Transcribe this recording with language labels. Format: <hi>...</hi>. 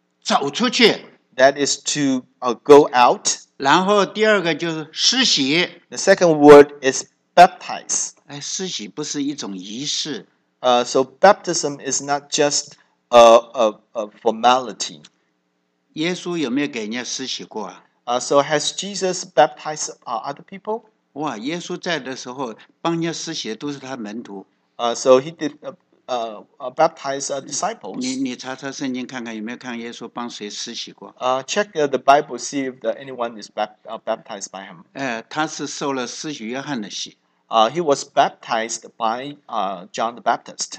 <zh>走出去,</zh> <en>that is to go out.</en> <zh>然后第二个就是施洗,</zh> <en>the second word is baptize.</en> <zh>哎,施洗不是一种仪式,</zh> <en>so baptism is not just a formality.</en> <zh>耶稣有没有给人家施洗过啊?</zh> <en>So has Jesus baptized other people?</en> <zh>哇,耶稣在的时候,帮人家施洗的都是他门徒。</zh> <en>So he did baptize disciples.</en> <zh>你查查圣经看看有没有看耶稣帮谁施洗过?</zh> <en>Check the Bible, see if anyone is baptized by him.</en> <zh>他是受了施洗约翰的洗。</zh> <en>He was baptized by John the Baptist.</en>